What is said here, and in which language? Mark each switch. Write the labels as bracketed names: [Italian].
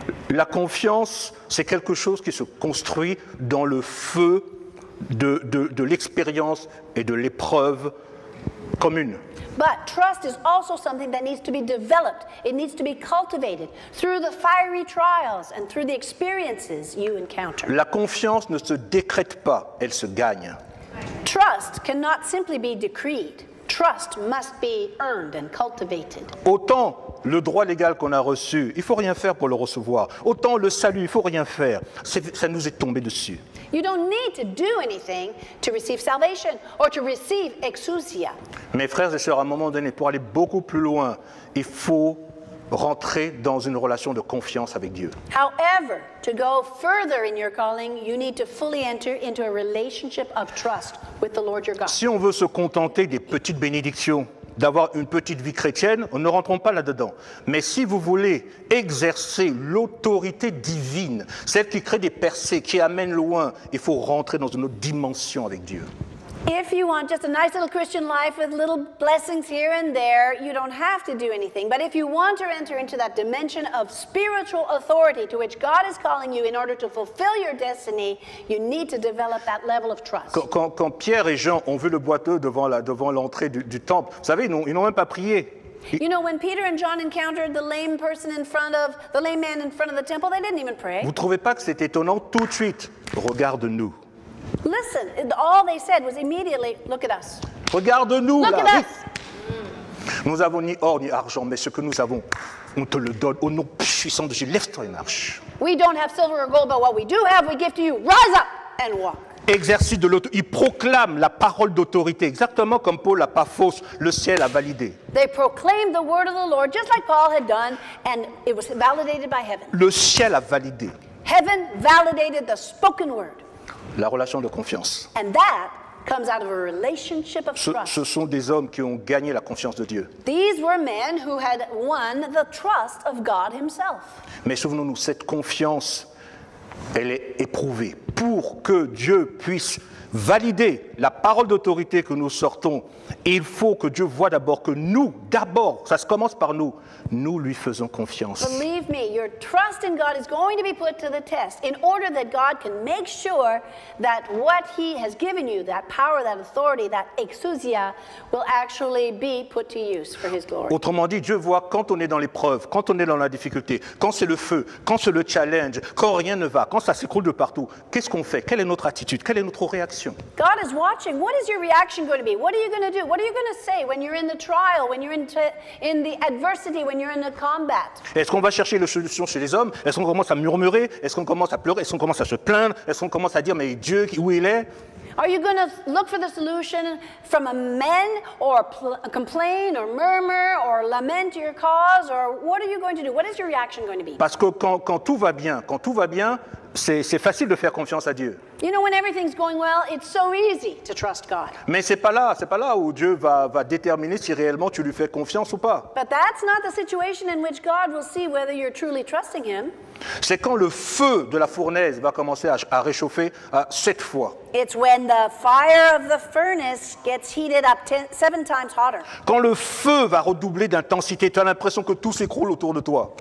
[French] La confiance, c'est quelque chose qui se construit dans le feu de l'expérience et de l'épreuve commune. [English] But trust is also something that needs to be developed. It needs to be cultivated through the fiery trials and through the experiences you encounter. [French] La confiance ne se décrète pas, elle se gagne. [English] Trust cannot simply be decreed. Trust must be earned and cultivated. [French] Autant le droit légal qu'on a reçu, il ne faut rien faire pour le recevoir. Autant le salut, il ne faut rien faire. Ça nous est tombé dessus. [English] You don't need to do anything to receive salvation or to receive exousia. [French] Mes frères et sœurs, à un moment donné, pour aller beaucoup plus loin, il faut rentrer dans une relation de confiance avec Dieu. [English] However, to go further in your calling, you need to fully enter into a relationship of trust with the Lord your God. [French] Si on veut se contenter des petites bénédictions, d'avoir une petite vie chrétienne, on ne rentrons pas là-dedans. Mais si vous voulez exercer l'autorité divine, celle qui crée des percées, qui amène loin, il faut rentrer dans une autre dimension avec Dieu. [English] If you want just a nice little Christian life with little blessings here and there, you don't have to do anything. But if you want to enter into that dimension of spiritual authority to which God is calling you in order to fulfill your destiny, you need to develop that level of trust. [French] Quand Pierre et Jean ont vu le boiteux devant l'entrée du temple, vous savez, ils n'ont même pas prié. [English] You know, when Peter and John encountered the lame man in front of the temple, they didn't even pray. [French] Vous ne trouvez pas que c'est étonnant? Tout de suite, regarde-nous. [English] listen, all they said was immediately, look at us. [French] Regarde-nous [English] look [French] là. [English] At us. [French] Nous avons ni or ni argent, mais ce que nous avons, on te le donne au nom puissant de Jésus. Lève-toi et marche. [English] We don't have silver or gold, but what we do have, we give to you. Rise up and walk. [French] Exercice de l'autorité. Il proclame la parole d'autorité, exactement comme Paul l'a pas fausse, le ciel a validé. [English] They proclaimed the word of the Lord, just like Paul had done, and it was validated by heaven. [French] Le ciel a validé. [English] Heaven validated the spoken word. [French] La relation de confiance. [English] And that comes out of a relationship of trust. [French] Ce sont des hommes qui ont gagné la confiance de Dieu. [English] These were men who had won the trust of God himself. [French] Mais souvenons-nous, cette confiance, elle est éprouvée. Pour que Dieu puisse valider la parole d'autorité que nous sortons, il faut que Dieu voit d'abord que nous, d'abord, ça se commence par nous, nous lui faisons confiance. [English] Believe me, your trust in God is going to be put to the test in order that God can make sure that what he has given you, that power, that authority, that exousia, will actually be put to use for his glory. [French] Autrement dit, Dieu voit quand on est dans l'épreuve, quand on est dans la difficulté, quand c'est le feu, quand c'est le challenge, quand rien ne va, quand ça s'écroule de partout, qu'est-ce qu'on fait? Quelle est notre attitude? Quelle est notre réaction? [English] God is watching. What is your reaction going to be? What are you going to do? What are you going to say when you're in the trial, when you're in the adversity, when you're in the combat? [French] Est-ce qu'on va chercher la solution chez les hommes? Est-ce qu'on commence à murmurer? Est-ce qu'on commence à pleurer? Est-ce qu'on commence à se plaindre? Est-ce qu'on commence à dire, mais Dieu, où il est? [English] Are you going to look for the solution from a man or complain or murmur or lament your cause? Or what are you going to do? What is your reaction going to be? [French] Parce que quand tout va bien, quand tout va bien, c'est facile de faire confiance à Dieu. [English] You know, when everything's going well, it's so easy to trust God. [French] Mais c'est pas là où Dieu va déterminer si réellement tu lui fais confiance ou pas. [English] But that's not the situation in which God will see whether you're truly trusting him. [French] C'est quand le feu de la fournaise va commencer à réchauffer à 7 fois. [English] It's when the fire of the furnace gets heated up 7 times hotter. [French] Quand le feu va redoubler d'intensité, tu as l'impression que tout s'écroule autour de toi.